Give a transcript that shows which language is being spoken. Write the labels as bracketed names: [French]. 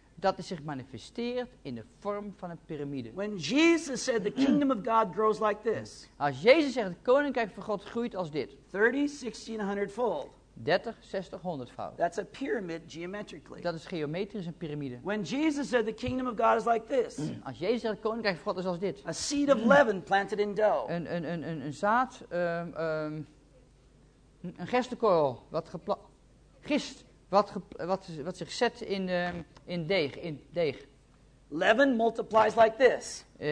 [Dutch] Dat het zich manifesteert in de vorm van een piramide. [English] When Jesus said the kingdom of God grows like this. [Dutch] Als Jezus zegt het koninkrijk van God groeit als dit. [English] 30, 1600-fold. [Dutch] 30, 60, 100 fout. [English] That's a pyramid geometrically. [Dutch] Dat is geometrisch een piramide. [English] When Jesus said the kingdom of God is like this. [Dutch] Als Jezus zei het koninkrijk van God is als dit. [English] A seed of leaven planted in dough. [Dutch] Een zaad, een gerstekorrel wat gist wat zich zet in deeg. [English] Leaven multiplies like this.